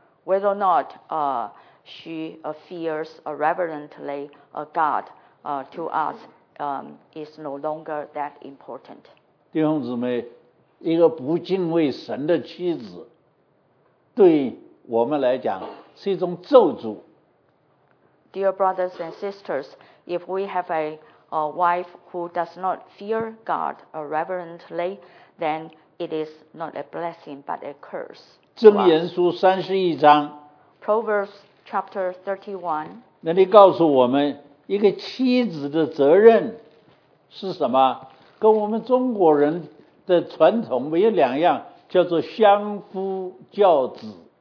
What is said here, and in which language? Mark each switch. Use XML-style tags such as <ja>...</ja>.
<en>Whether or not she fears reverently God to us is no longer that important.</en> <zh>弟兄姊妹，一个不敬畏神的妻子，对我们来讲是一种咒诅。</zh> <en>Dear brothers and sisters, if we have a wife who does not fear God reverently, then it is not a blessing but a curse.</en> <zh>箴言书三十一章。</zh> <en>Proverbs chapter 31.</en> <zh>那里告诉我们一个妻子的责任是什么？跟我们中国人的传统没有两样，叫做相夫教子。</zh>